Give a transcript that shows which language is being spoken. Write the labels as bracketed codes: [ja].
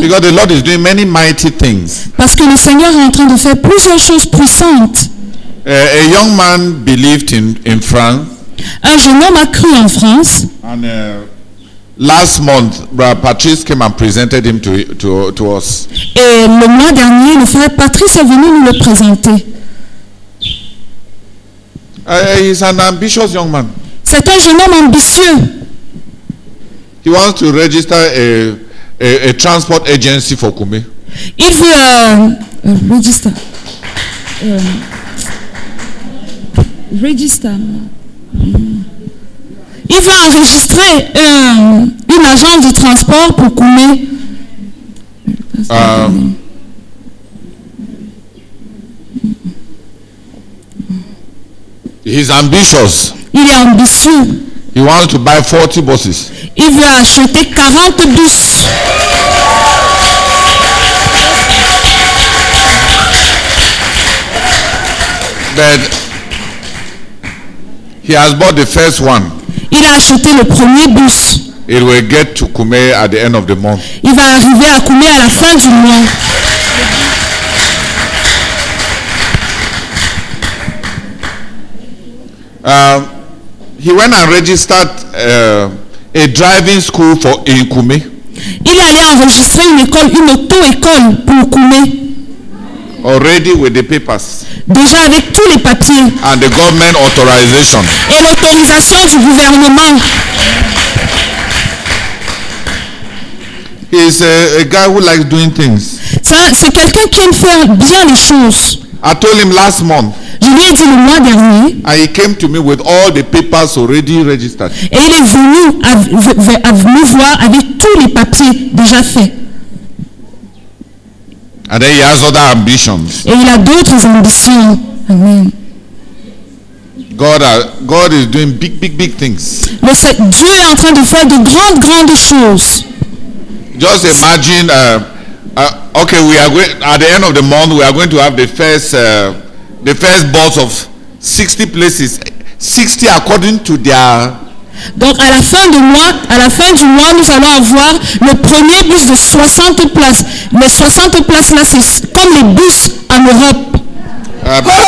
[en] Because the Lord is doing many mighty things. [fr] Parce que le Seigneur est en train de faire plusieurs choses puissantes. [en] A young man believed in France. [fr] Un jeune homme a cru en France. [en] And last month, Patrice came and presented him to us. [fr] Et le mois dernier, le frère Patrice est venu nous le présenter. [en] He's an ambitious young man. [fr] C'est un jeune homme ambitieux. [en] He wants to register a transport agency for Koumé. [fr] Il veut il veut enregistrer une agence de transport pour Koumé. [en] He's ambitious. [fr] Il est ambitieux. [en] He wants to buy 40 buses. [fr] Il veut acheter 40 bus. [en] But he has bought the first one. [fr] Il a acheté le premier bus. [en] It will get to Koumé at the end of the month. [fr] Il va arriver à Koumé à la fin du mois. [en] He went and registered a driving school for in Koumé. [fr] Il est allé enregistrer une école, une auto-école pour Koumé. [en] Already with the papers. [fr] Déjà avec tous les papiers. [en] And the government authorization. [fr] Et l'autorisation du gouvernement. [en] He's a guy who likes doing things. [fr] C'est quelqu'un qui aime faire bien les choses. [en] I told him last month. [fr] Je lui ai dit le mois dernier. [en] And he came to me with all the papers already registered. [fr] Et il est venu me voir avec tous les papiers déjà faits. [en] And then he has other ambitions. [fr] Et il a d'autres ambitions. Amen. [en] God is doing big things. [fr] Mais Dieu est en train de faire de grandes choses. [en] Just imagine. We are going at the end of the month. We are going to have the first. The first bus of 60 places, 60 according to their. [fr] Donc à la fin du mois, nous allons avoir le premier bus de 60 places. Les 60 places là, c'est comme les bus en Europe.